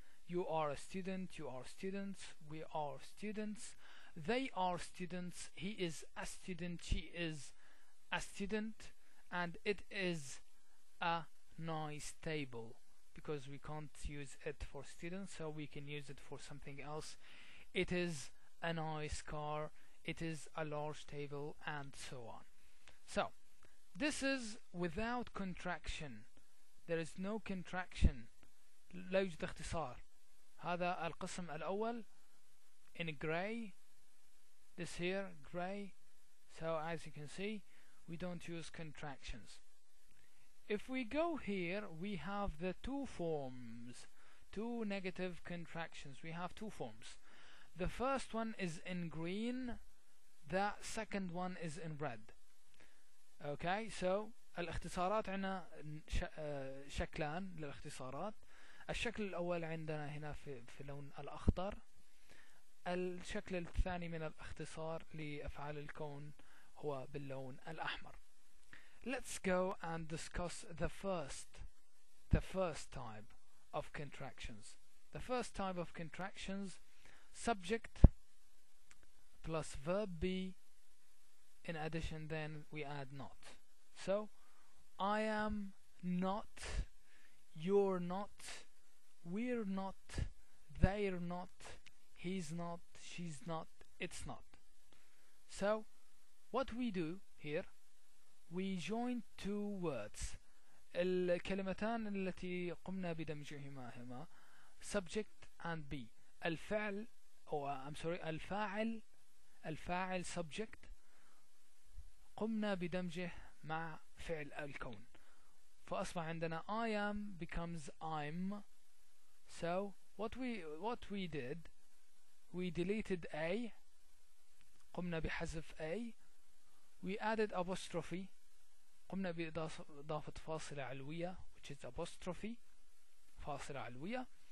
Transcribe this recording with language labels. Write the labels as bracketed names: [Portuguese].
[English] You are a student, you are students, we are students, they are students, he is a student, she is a student, and it is a nice table, because we can't use it for students, so we can use it for something else. It is a nice car, it is a large table, and so on. So this is without contraction. There is no contraction. [Arabic] لا يوجد اختصار. هذا القسم الأول [English] in gray. This here, gray. So as you can see, we don't use contractions. If we go here, we have the two forms. Two negative contractions. We have two forms. The first one is in green. The second one is in red. [Arabic] Okay, so الاختصارات عنا شكلان للاختصارات. الشكل الأول عندنا هنا في لون الأخضر. الشكل الثاني من الاختصار لأفعال الكون هو باللون الأحمر. [English] Let's go and discuss the first type of contractions. The first type of contractions, subject plus verb be. In addition, then we add not. So, I am not, you're not, we're not, they're not, he's not, she's not, it's not. So, what we do here, we join two words. [Arabic] الكلمتان التي قمنا بدمجهما [English] subject and be. [Arabic] الفعل, الفاعل, الفاعل subject. قمنا بدمجه مع فعل الكون فأصبح عندنا [English] I am becomes I'm. So what we did, we deleted A, [Arabic] قمنا بحذف A. [English] We added apostrophe, [Arabic] قمنا بإضافة فاصلة علوية, [English] which is apostrophe, [Arabic] فاصلة علوية.